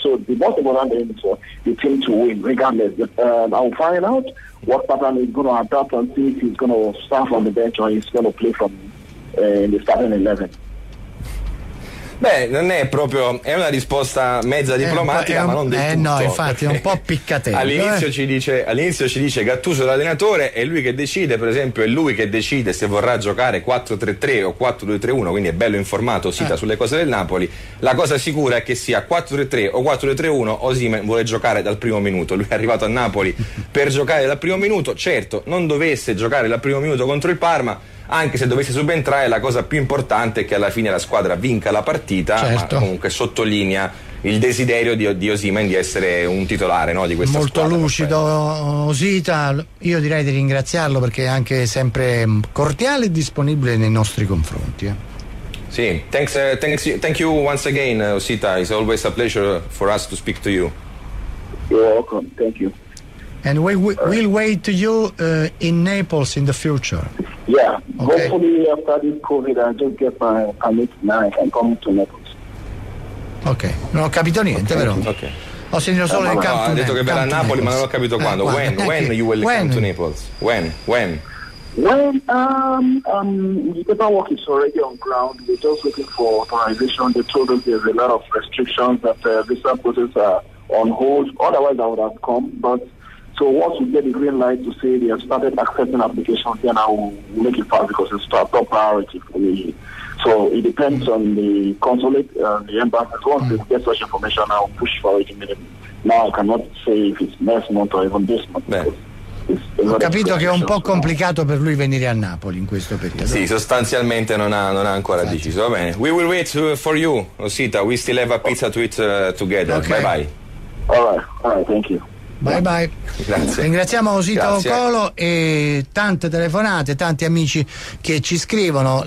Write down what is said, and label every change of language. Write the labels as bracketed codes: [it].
[en] So the most important thing is for the team to win, regardless. I will find out what pattern he's going to adopt and see if he's going to start from the bench or he's going to play from in the starting 11. [it] Beh, non è proprio, è una risposta mezza diplomatica, ma non del tutto. No, infatti, è un po' piccatello. All'inizio ci dice Gattuso l'allenatore, è lui che decide, per esempio, è lui che decide se vorrà giocare 4-3-3 o 4-2-3-1, quindi è bello informato Sita sulle cose del Napoli. La cosa sicura è che sia 4-3-3 o 4-2-3-1, Osimhen vuole giocare dal primo minuto. Lui è arrivato a Napoli per giocare dal primo minuto. Certo, non dovesse giocare dal primo minuto contro il Parma, anche se dovesse subentrare, la cosa più importante è che alla fine la squadra vinca la partita, certo. Ma comunque sottolinea il desiderio di Osimhen di essere un titolare, no, di questa molto squadra. Molto lucido Osita, io direi di ringraziarlo perché è anche sempre cordiale e disponibile nei nostri confronti. [en] Sì, thank you once again Osita, it's always a pleasure for us to speak to you. You're welcome, thank you. And we'll wait to you in Naples in the future. Yeah, okay. Hopefully after this COVID I just get my permit now and come to Naples. [it] Ok, non ho capito niente, okay. Però okay. Ho sentito solo il campo. Ha detto che verrà a Napoli, ma non ho capito quando. [en] When you will come to Naples? The paperwork is already on ground. We're just looking for authorization. They told us there's a lot of restrictions that visa process are on hold. Otherwise I would have come, but so once we get the green light to say they have started accepting applications, then I will make it fast because it's a top priority for me. So it depends on the consulate and the embassy. Once we get such information, I will push for it immediately. Now I cannot say if it's next month or even this month. [it] Ho capito che è un po' complicato per lui venire a Napoli in questo periodo. Sì, sostanzialmente non ha ancora deciso. Va bene. [en] We will wait for you, [it] Osita. [en] We still have a pizza to eat together. Okay. Bye bye. All right, thank you. Bye bye. [it] Grazie. Ringraziamo Osita Ocolo e tante telefonate, tanti amici che ci scrivono.